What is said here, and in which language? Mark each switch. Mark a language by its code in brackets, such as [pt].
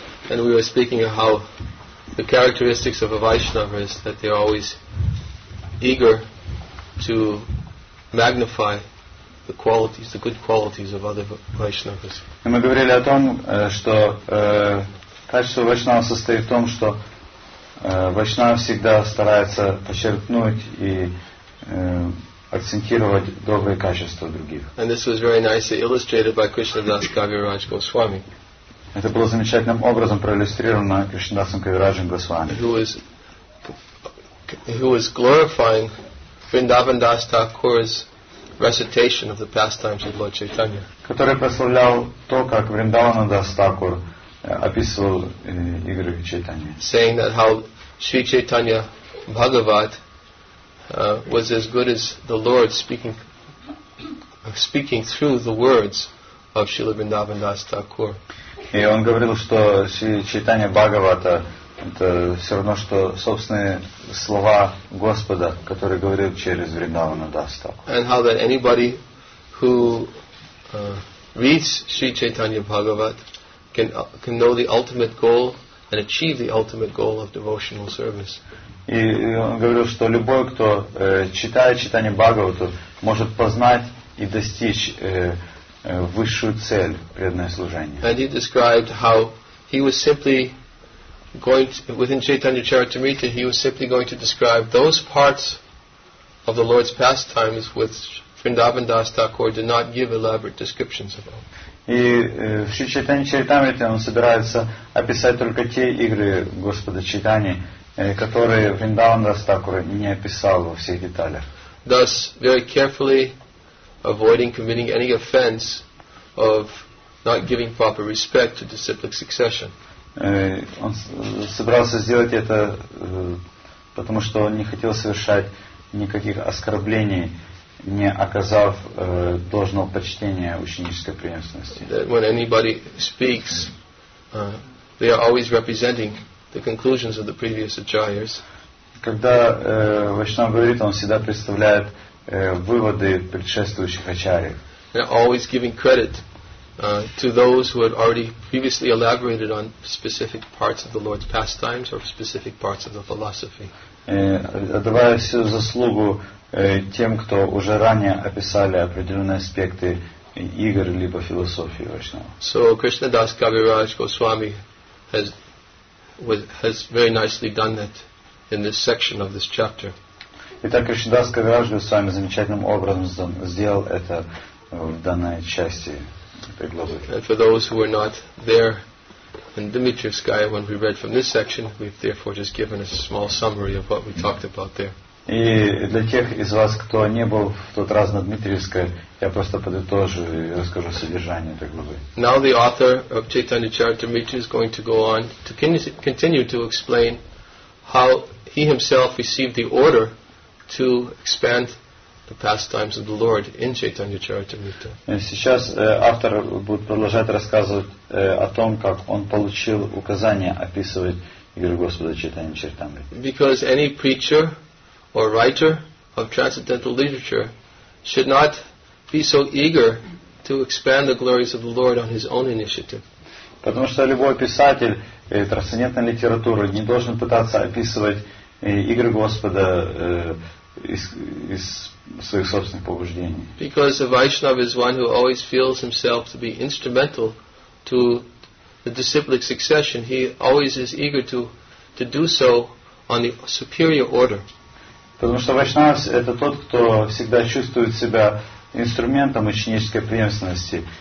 [en] And we were speaking of how the characteristics of a Vaishnava is that they are always eager to magnify the qualities, the good qualities of other Vaishnavas. [ru] И мы говорили о том, что качество Вайшнава состоит в том, что Вайшнава всегда старается подчеркнуть и акцентировать добрые качества других. [en] And this was very nicely illustrated by Krishna Das Kaviraj Goswami. [ru] Это было замечательным образом проиллюстрировано Кришнадасом Кавираджем Госвами. [en] Who was glorifying Vrindavan Das Thakur's recitation of the pastimes of Lord Chaitanya. [ru] Который прославлял то, как Вриндавана Дас Такур описывал игры Чайтаньи. [en] Saying that how Sri Chaitanya Bhagavat was as good as the Lord speaking through the words of Srila Vrindavan Das Thakur. [ru] И он говорил, что Sri Chaitanya Bhagavata это все равно, что собственные слова Господа, которые говорил через Вриндавана Дас Такур. [en] And how that anybody who reads Sri Chaitanya Bhagavat can know the ultimate goal and achieve the ultimate goal of devotional service. [ru] И он говорил, что любой, кто читает Чайтанья Бхагавату, может познать и достичь высшую цель преданное служение. [en] And he described how he was simply going to, within Chaitanya Charitamrita, he was simply going to describe those parts of the Lord's pastimes which Vrindavan Das Thakur did not give elaborate descriptions about. [ru] И в Чайтанья Чаритамрите он собирается описать только те игры Господа Чайтаньи, которые Вриндаван Дас Такур не описал во всех деталях. [en] Thus, very carefully avoiding committing any offense of not giving proper respect to disciplic succession. [ru] Он собирался сделать это, потому что он не хотел совершать никаких оскорблений, не оказав должного почтения ученической преемственности. [en] That when anybody speaks, they are always representing the conclusions of the previous acharyas. [ru] Когда Вайшнав говорит, он всегда представляет выводы предшествующих ачарьев. [en] And always giving credit to those who had already previously elaborated on specific parts of the Lord's pastimes or specific parts of the philosophy. [ru] Отдавая всю заслугу тем, кто уже ранее описали определенные аспекты игр либо философии Вайшнава. [en] So Krishna Das Kaviraj Goswami has very nicely done that in this section of this chapter. [ru] Итак, Кришна Дас Кавираджа Госвами замечательным образом сделал это в данной части этой главы. [en] And for those who were not there in Dmitrievskaya when we read from this section, we've therefore just given a small summary of what we talked about there. [ru] И для тех из вас, кто не был в тот раз на Дмитриевской, я просто подытожу и расскажу содержание этой главы. [en] Now the author of Chaitanya Charitamrita is going to go on to continue to explain how he himself received the order to expand the pastimes of the Lord in Chaitanya Charitamrita. [ru] Сейчас автор будет продолжать рассказывать о том, как он получил указание описывать игры Господа Чайтанья Чаритамриты. [en] Because any preacher or writer of transcendental literature should not be so eager to expand the glories of the Lord on his own initiative. [ru] Потому что любой писатель трансцендентной литературы не должен пытаться описывать игры Господа из своих собственных побуждений. [en] Because a Vaishnava is one who always feels himself to be instrumental to the disciplic succession. He always is eager to do so on the superior order. [ru] Потому что Вайшнав — это тот, кто всегда чувствует себя инструментом ученической преемственности.